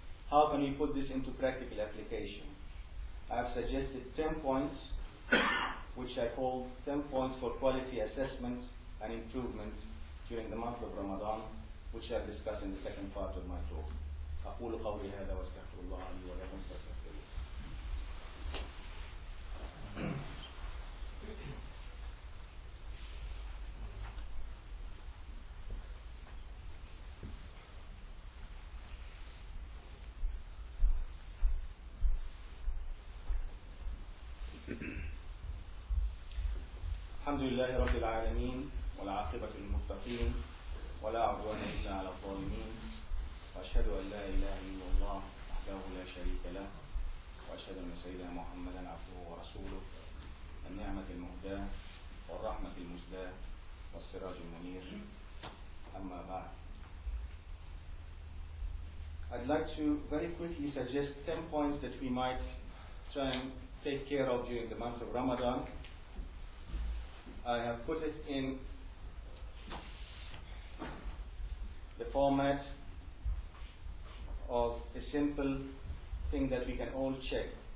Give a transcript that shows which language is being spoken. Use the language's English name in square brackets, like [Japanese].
[English] How can we put this into practical application? I have suggested 10 points, which I call 10 points for quality assessment and improvement during the month of Ramadan, which I'll discuss in the second part of my talk. [Arabic] أقول قولي هذا واستغفر الله لي ولكم فاستغفروه. [English] Thank [Arabic] الحمد لله رب العالمين والعاقبة للمتقين ولا عدوان إلا على الظالمين. وأشهد أن لا إله إلا الله وحده لا شريك له، وأشهد أن سيدنا محمدا عبده ورسوله، النعمة المهداة والرحمة المزداة والسراج المنير. أما بعد، [English] I'd like to very quickly suggest 10 points that we might try and take care of during the month of Ramadan. I have put it in the format of a simple thing that we can all check.